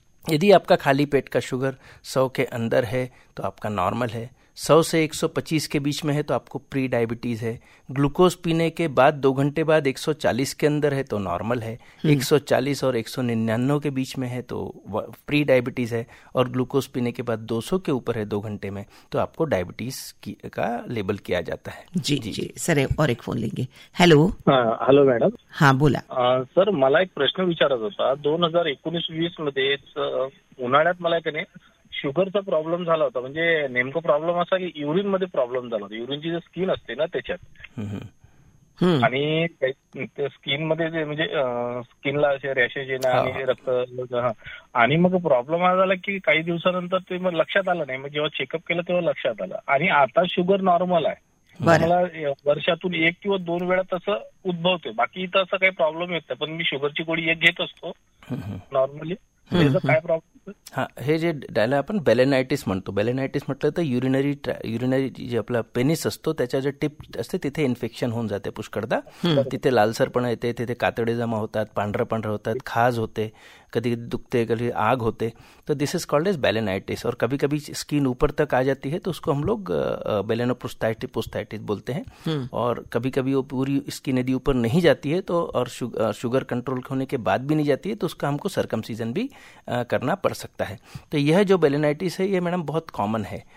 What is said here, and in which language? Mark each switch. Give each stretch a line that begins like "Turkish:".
Hindi: यदि आपका खाली पेट का शुगर 100 के अंदर है तो आपका नॉर्मल है, 100 से 125 के बीच में है तो आपको प्री डायबिटीज है, ग्लूकोज पीने के बाद 2 घंटे बाद 140 के अंदर है तो नॉर्मल है, 140 और 199 के बीच में है तो प्री डायबिटीज है, और ग्लूकोज पीने के बाद 200 के ऊपर है 2 घंटे में तो आपको डायबिटीज का लेबल किया जाता है। जी जी, जी। सर और एक फोन लेंगे। Hello hello madam. हाँ बोला।
Marathi: सर मला एक प्रश्न विचारत होता, 2019-20 मध्ये उन्हाळ्यात मला की नाही शुगरचा प्रॉब्लेम झाला होता, म्हणजे नेमकं प्रॉब्लेम असा की युरिन मध्ये प्रॉब्लेम झाला होता, युरिनची जी स्किन असते ना त्याच्यात, आणि स्किन मध्ये म्हणजे स्किनला असे रॅशेस येणं आणि रक्त, आणि मग प्रॉब्लेम हा झाला की काही दिवसानंतर ते मग लक्षात आलं नाही, मग जेव्हा चेकअप केलं तेव्हा लक्षात आलं, आणि आता शुगर नॉर्मल आहे, मला वर्षातून 1-2 वेळा तसं उद्भवतोय, बाकी इथं असं काही प्रॉब्लेम येत नाही, पण मी शुगरची गोळी 1 घेत असतो नॉर्मली, काय प्रॉब्लेम? हा, हे जे डायला आपण बेलेनायटिस म्हणतो, बेलेनायटिस म्हटलं तर युरिनरी जे आपला पेनिस असतो त्याच्या जे टिप असते तिथे इन्फेक्शन होऊन जाते पुष्कळदा, तिथे लालसरपणा येते, तिथे कातडे जमा होतात, पांढरपांढरं होतात, खाज होते, कधी कधी दुखते, कधी आग होते, तर
English: This is called as balanitis.
Hindi: और कभी कभी स्किन ऊपर तक आ जाती है तो उसको हम लोग बेलेनोप्रोस्टाइटिस बोलते हैं, और कभी कभी वो पूरी स्किन यदि ऊपर नहीं जाती है तो, और शुगर कंट्रोल होने के बाद भी नहीं जाती है तो उसका हमको सर्कमसीजन भी करना पड़ सकता है। तो यह जो बेलेनाइटिस है ये मैडम बहुत कॉमन है।